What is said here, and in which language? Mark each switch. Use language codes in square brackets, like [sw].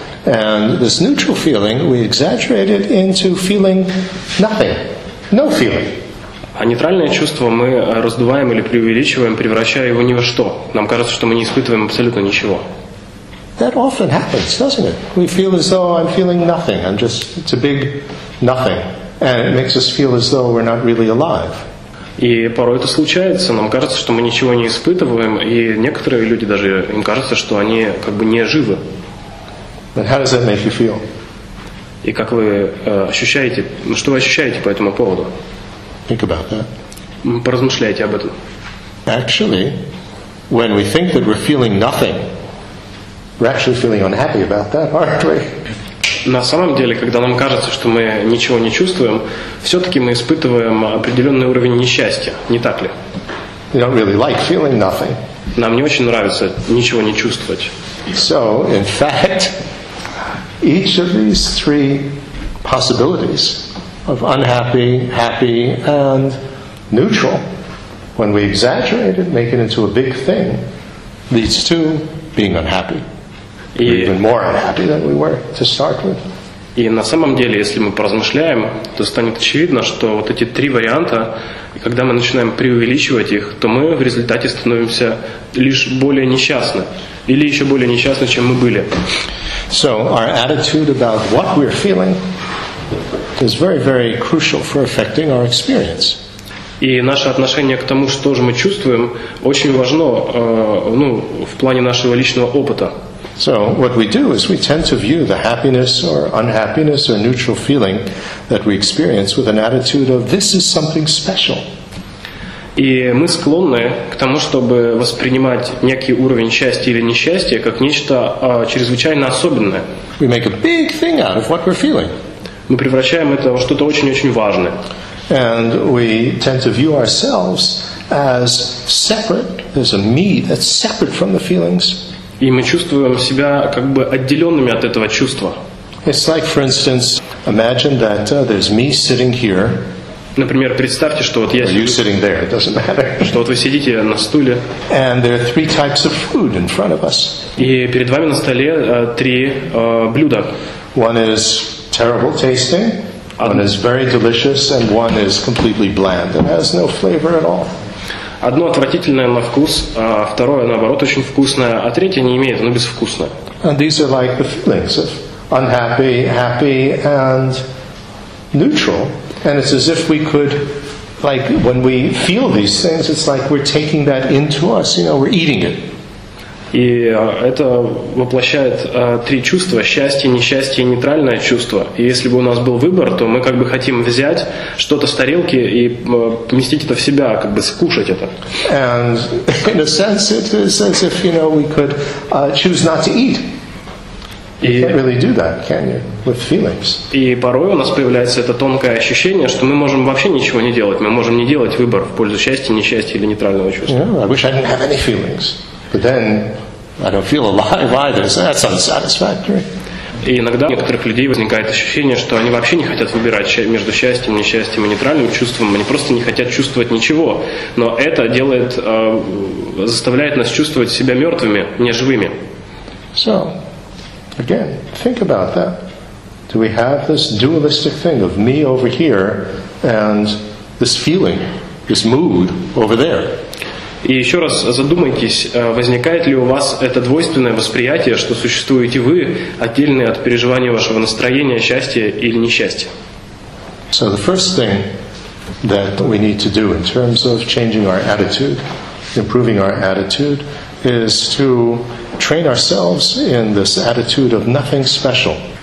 [en] And this neutral feeling, we exaggerate it into feeling nothing, no feeling. [ru] А нейтральное чувство мы раздуваем или преувеличиваем, превращая его ни во что. Нам кажется, что мы не испытываем абсолютно ничего. [en] That often happens, doesn't it? We feel as though I'm feeling nothing. I'm just, it's a big nothing. And it makes us feel as though we're not really alive. [ru] И порой это случается, нам кажется, что мы ничего не испытываем, и некоторые люди даже, им кажется, что они как бы не живы. [en] And how does that make you feel? [ru] И как вы ощущаете, что вы ощущаете по этому поводу? [en] Think about that. [ru] Поразмышляйте об этом. [en] Actually, when we think that we're feeling nothing, we're actually feeling unhappy about that, aren't we? [ru] На самом деле, когда нам кажется, что мы ничего не чувствуем, все-таки мы испытываем определенный уровень несчастья, не так ли? [en] We don't really like feeling nothing. [ru] Нам не очень нравится ничего не чувствовать. [en] So, in fact, each of these three possibilities of unhappy, happy, and neutral, when we exaggerate it, make it into a big thing, leads to being unhappy. Even more unhappy than we were to start with. [ru] И на самом деле, если мы поразмышляем, то станет очевидно, что вот эти три варианта, когда мы начинаем преувеличивать их, то мы в результате становимся лишь более несчастны, или еще более несчастны, чем мы были. [en] So our attitude about what we're feeling is very, very crucial for affecting our experience. [ru] И наше отношение к тому, что же мы чувствуем, очень важно, ну, в плане нашего личного опыта. [en] So what we do is we tend to view the happiness or unhappiness or neutral feeling that we experience with an attitude of this is something special. [ru] И мы склонны к тому, чтобы воспринимать некий уровень счастья или несчастья как нечто чрезвычайно особенное. [en] We make a big thing out of what we're feeling. [ru] Мы превращаем это во что-то очень-очень важное. [en] And we tend to view ourselves as separate. There's a me that's separate from the feelings. [ru] И мы чувствуем себя как бы отделенными от этого чувства. [en] It's like, for instance, imagine that there's me sitting here. [ru] Например, представьте, что вот я сижу. [en] Or you sitting there, it doesn't matter. [ru] Что вот вы сидите на стуле. [en] And there are three types of food in front of us. [ru] И перед вами на столе три блюда. [en] One is terrible tasting, one is very delicious, and one is completely bland. It has no flavor at all. [ru] Одно отвратительное на вкус, а второе, наоборот, очень вкусное, а третье не имеет, оно безвкусное. [en] And these are like the feelings of unhappy, happy, and neutral. And it's as if we could, like, when we feel these things, it's like we're taking that into us, you know, we're eating it. [ru] И это воплощает три чувства: счастье, несчастье и нейтральное чувство. И если бы у нас был выбор, то мы как бы хотим взять что-то с тарелки и поместить это в себя, как бы скушать это. [en] And in a sense, it is as if, you know, we could choose not to eat. You can't really do that, can you, with feelings? [ru] И порой у нас появляется это тонкое ощущение, что мы можем вообще ничего не делать, мы можем не делать выбор в пользу счастья, несчастья или нейтрального чувства. [en] Yeah, I wish I didn't have any feelings. But then I don't feel alive either. So that's unsatisfactory. [ru] И иногда у некоторых людей возникает ощущение, что они вообще не хотят выбирать между счастьем, несчастьем и нейтральным чувством. Они просто не хотят чувствовать ничего. Но это делает, заставляет нас чувствовать себя мертвыми, неживыми. [en] So, again, think about that. Do we have this dualistic thing of me over here and this feeling, this mood over there? [ru] И еще раз задумайтесь, возникает ли у вас это двойственное восприятие, что существуете вы, отдельные от переживания вашего настроения, счастья или несчастья. [en] So the first thing that we need to do in terms of changing our attitude, improving our attitude, is to train ourselves in this attitude of nothing special.